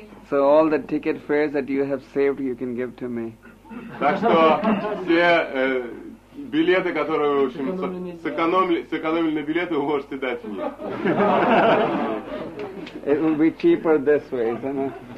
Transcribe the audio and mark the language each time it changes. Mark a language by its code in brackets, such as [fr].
[en] So all the ticket fares that you have saved, you can give to me. [ru] Так что все билеты, которые вы, в общем, сэкономили на билеты, вы можете дать мне. [en] It will be cheaper this way, isn't it?